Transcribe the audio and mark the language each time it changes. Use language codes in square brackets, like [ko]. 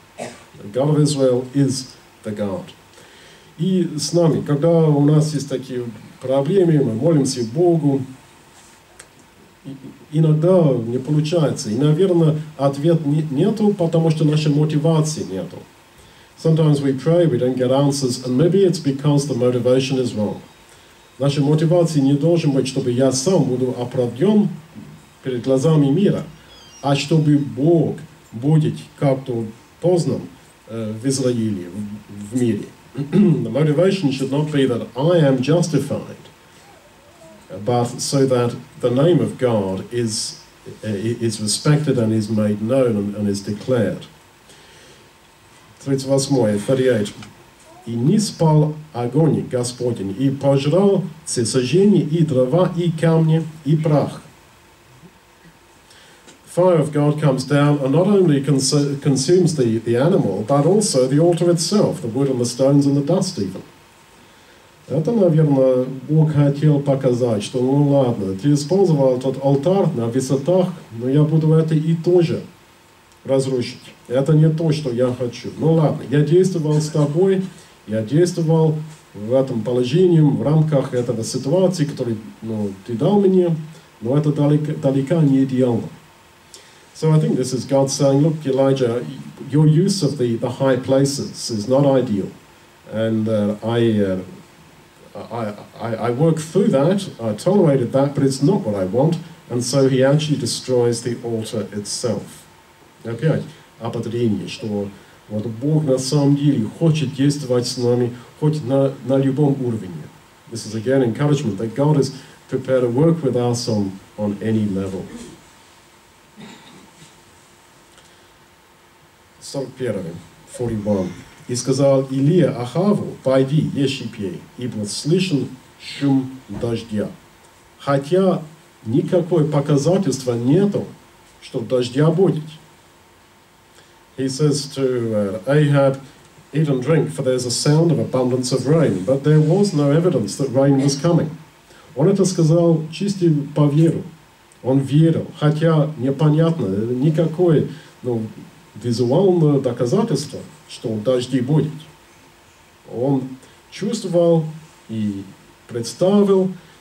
[en] The God of Israel is the God. [ru] И с нами, когда у нас есть такие проблемы, мы молимся Богу, иногда не получается. И, наверное, ответ нету, потому что нашей мотивации нету. [en] Sometimes we pray, we don't get answers, and maybe it's because the motivation is wrong. [ru] Наша мотивация не должна быть, чтобы я сам буду оправдан перед глазами мира, а чтобы Бог будет как-то познан в Израиле, в мире. [en] The motivation should not be that I am justified, but so that the name of God is respected and is made known and is declared. 38. [ru] И не спал огонь Господень, и пожрал все сожжения, и дрова, и камни, и прах. [en] Fire of God comes down and not only consumes the animal, but also the altar itself, the wood and the stones and the dust even. [ru] Это, наверное, Бог хотел показать, что, ну ладно, ты использовал этот алтарь на высотах, но я буду это и тоже разрушить. Это не то, что я хочу. Ну ладно, я действовал с тобой. Я действовал в этом положении, в рамках этого ситуации, которую, ну, ты дал мне, но это далеко не идеально. [en] So I think this is God saying, look, Elijah, your use of the high places is not ideal. And I work through that, I tolerated that, but it's not what I want. And so he actually destroys the altar itself. [ru] Опять ободрение, что вот Бог на самом деле хочет действовать с нами, хоть на любом уровне. [en] This is again encouragement that God is prepared to work with us on any level. 41. [ru] И сказал Илия Ахаву, пойди, ешь и пей, ибо слышен шум дождя. Хотя никакого показательства нету, что дождя будет. [en] He says to Ahab, eat and drink, for there's a sound of abundance of rain. But there was no evidence that rain was coming. [ru] Он это сказал чисто по веру. Он верил, хотя непонятно, никакое, ну, визуальное доказательство, что дожди будет. Он чувствовал и представил